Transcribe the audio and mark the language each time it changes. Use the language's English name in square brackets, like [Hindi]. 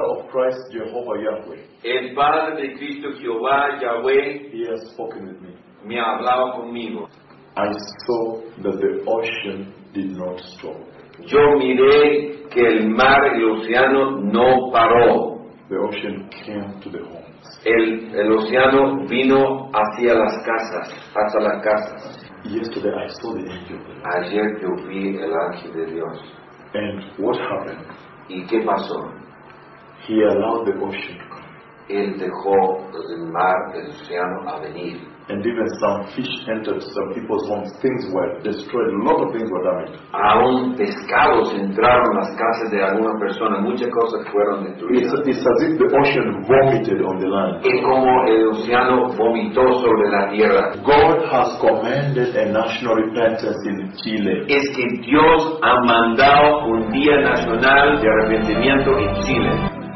[English] Christ Jehovah Yahweh. [Spanish] El Padre de Cristo Jehová Yahweh. [English] He has spoken with me. [Spanish] Me ha hablado conmigo. [English] I saw that the ocean did not stop. [Spanish] Yo miré que el mar y el océano no paró. [English] The ocean came to the home. [Spanish] el océano vino hacia las casas, hasta las casas. [English] Yesterday I saw the angel. [Spanish] Ayer yo vi el ángel de Dios. [English] And what happened? [Spanish] ¿Y qué pasó? [English] He allowed the ocean to come. [Spanish] Él dejó el mar, el océano, a venir. [English] And even some fish entered some people's homes. Things were destroyed. A lot of things were damaged. [Spanish] Aún pescados entraron las casas de algunas personas. Muchas cosas fueron destruidas. [English] It's as if the ocean vomited on the land. [Spanish] Es como el océano vomitó sobre la tierra. [English] God has commanded a national repentance in Chile. [Spanish] Es que Dios ha mandado un día nacional de arrepentimiento en Chile.